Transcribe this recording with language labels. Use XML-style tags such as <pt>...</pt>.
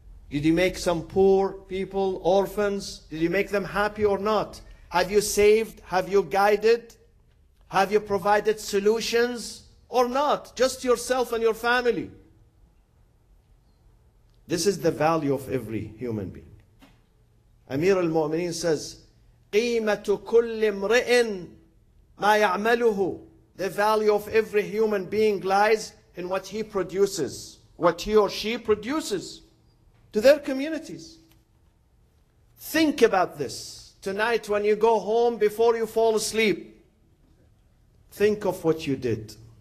<en>Did you make some poor people, orphans? Did you make them happy or not? Have you saved? Have you guided? Have you provided solutions or not? Just yourself and your family. This is the value of every human being. Amir al-Mu'mineen says,</en> <ar>قِيمَةُ كُلِّ امْرِئٍ مَا يَعْمَلُهُ.</ar> <en>The value of every human being lies in what he produces, what he or she produces to their communities. Think about this. Tonight when you go home, before you fall asleep, think of what you did.</en>